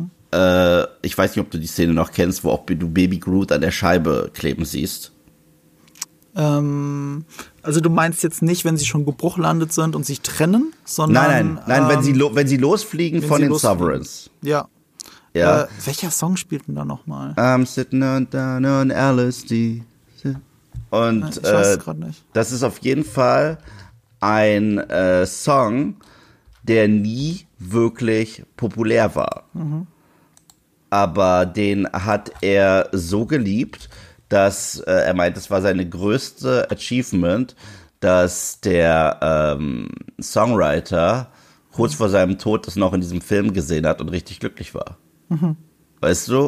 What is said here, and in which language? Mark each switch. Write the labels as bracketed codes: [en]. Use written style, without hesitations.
[de] Ich weiß nicht, ob du die Szene noch kennst, wo auch du Baby Groot an der Scheibe kleben siehst. Also du meinst jetzt nicht, wenn sie schon gebruchlandet sind und sich trennen, sondern Nein, wenn sie losfliegen von den Sovereigns. Ja. Ja. Welcher Song spielt denn da nochmal? [en] I'm sitting on down on LSD. [de] Und, ich weiß es gerade nicht. Das ist auf jeden Fall ein Song, der nie wirklich populär war. Aber den hat er so geliebt, dass er meint, es war seine größte Achievement, dass der Songwriter kurz vor seinem Tod das noch in diesem Film gesehen hat und richtig glücklich war. Weißt du?